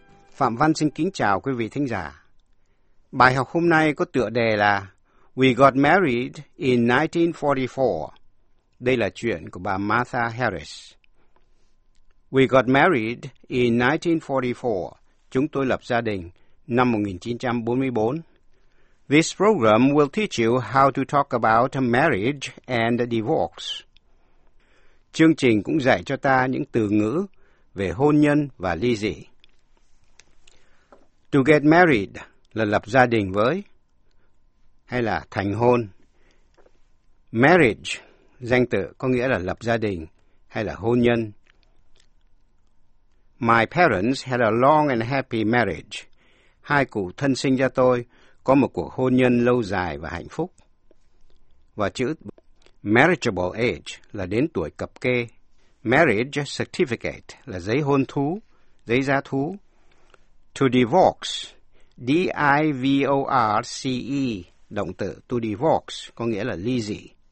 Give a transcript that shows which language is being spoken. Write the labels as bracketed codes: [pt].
[vi] Phạm Văn xin kính chào quý vị thính giả. Bài học hôm nay có tựa đề là [en] We Got Married in 1944. [vi] Đây là chuyện của bà Martha Harris. [en] We Got Married in 1944. [vi] Chúng tôi lập gia đình năm 1944. [en] This program will teach you how to talk about marriage and divorce. [vi] Chương trình cũng dạy cho ta những từ ngữ về hôn nhân và ly dị. To get married là lập gia đình với, hay là thành hôn. Marriage, danh từ có nghĩa là lập gia đình hay là hôn nhân. [en] My parents had a long and happy marriage. [vi] Hai cụ thân sinh ra tôi có một cuộc hôn nhân lâu dài và hạnh phúc. Và chữ marriageable age là đến tuổi cập kê. Marriage certificate là giấy hôn thú, giấy giá thú. To divorce, D-I-V-O-R-C-E, động từ to divorce, có nghĩa là ly dị.